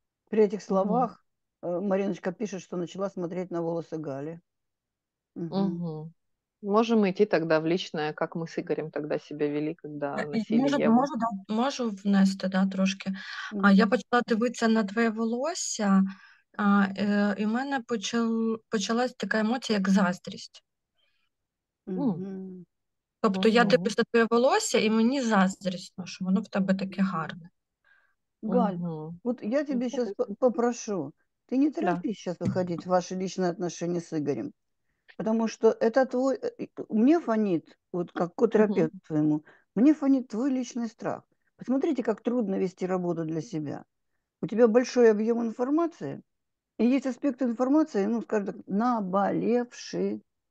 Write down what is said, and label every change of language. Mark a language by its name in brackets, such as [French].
[Russian] При этих словах Мариночка пишет, что начала смотреть на волосы Гали. [Ukrainian] Можемо йти тоді в личне, як ми з Ігорем тоді себе вели, коли носили Єву. Можу внести, да, трошки. Я почала дивитися на твоє волосся, і в мене почалась така емоція, як заздрість. Тобто я дивлюся на твоє волосся, і мені заздрісно, що воно в тебе таке гарне. [Russian] Галь, вот я тебе сейчас попрошу, ты не Да. торопись сейчас выходить в ваши личные отношения с Игорем. Потому что это твой, мне фонит, вот как котерапевт твоему, мне фонит твой личный страх. Посмотрите, как трудно вести работу для себя. У тебя большой объем информации, и есть аспекты информации, ну, скажем так, наболевшие.